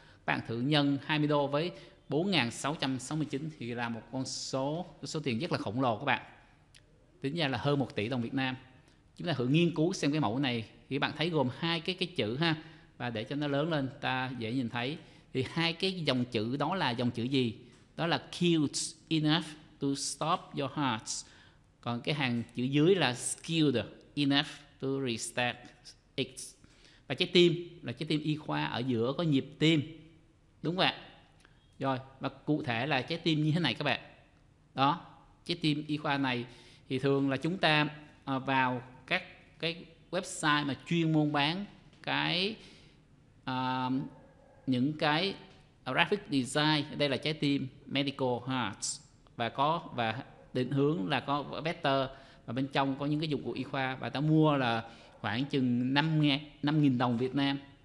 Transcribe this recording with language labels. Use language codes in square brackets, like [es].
[vi] Bạn thử nhân $20 với 4.669 thì là một số tiền rất là khổng lồ các bạn. Tính ra là hơn 1 tỷ đồng Việt Nam. Chúng ta thử nghiên cứu xem cái mẫu này thì bạn thấy gồm hai cái chữ ha, và để cho nó lớn lên ta dễ nhìn thấy, thì hai cái dòng chữ đó là dòng chữ gì? Đó là [en] cute enough to stop your heart. [vi] Còn cái hàng chữ dưới là [en] skilled enough to restart it. [vi] Và trái tim là trái tim y khoa, ở giữa có nhịp tim. Đúng không ạ? Rồi, và cụ thể là trái tim như thế này các bạn. Đó, trái tim y khoa này thì thường là chúng ta vào các cái website mà chuyên môn bán cái những cái graphic design, đây là trái tim medical heart, và có và định hướng là có vector, và bên trong có những cái dụng cụ y khoa, và ta mua là khoảng chừng 5.000 đồng Việt Nam.